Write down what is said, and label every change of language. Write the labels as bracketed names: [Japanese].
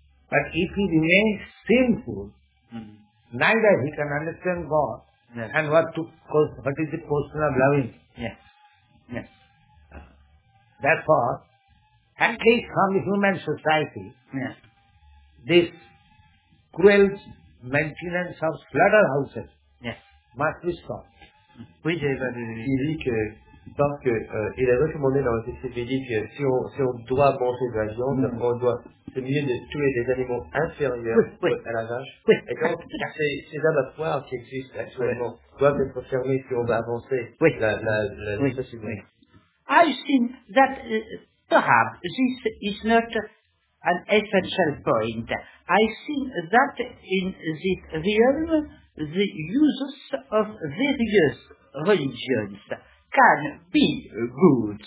[English] But if he remains sinful, neither he can understand God and what is the question of loving. Yes. Yes. Therefore, at least from the human society, this cruel maintenance of slaughterhouses must be stopped. [French] Oui, j'ai dit que parce que il est recommandé dans le CCPD que si on doit manger de la viande, mm-hmm. on doit c'est mieux de tuer des animaux inférieurs oui, oui. à la vache. Oui. Et donc ces abattoirs qui existent actuellement oui. doivent être fermés si on va avancer oui. la oui. société. Oui. [English] I think that perhaps this is not an essential point. I think that in this realm, the uses of various religions can be good.